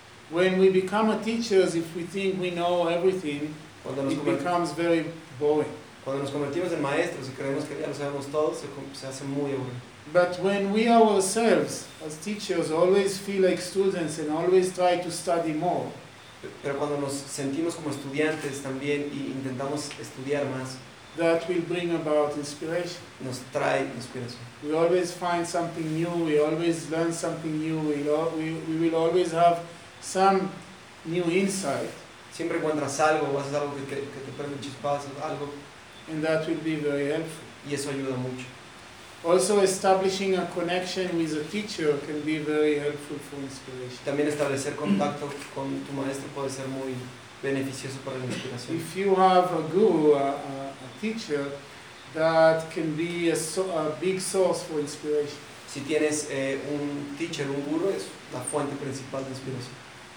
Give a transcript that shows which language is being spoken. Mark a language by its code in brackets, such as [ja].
[en] When we become a teacher, if we think we know everything, it becomes very boring. [es] Cuando nos convertimos en maestros y creemos que ya lo sabemos todo, se hace muy aburrido. [en] But when we ourselves, as teachers, always feel like students and always try to study more. [es] Pero cuando nos sentimos como estudiantes también y intentamos estudiar más. [en] That will bring about inspiration. [es] Nos trae inspiración. [en] We always find something new. We always learn something new. We will always have some new insight. [es] Siempre encuentras algo, vas a hacer algo que te prende un chispazo, algo. [en] And that will be very helpful. [es] Y eso ayuda mucho. [en] Also, establishing a connection with a teacher can be very helpful for inspiration. [es] También establecer contacto con tu maestro puede ser muy beneficioso para la inspiración. [en] If you have a guru, a teacher, that can be a big source for inspiration. [es] Si tienes un teacher, un guru, es la fuente principal de inspiración.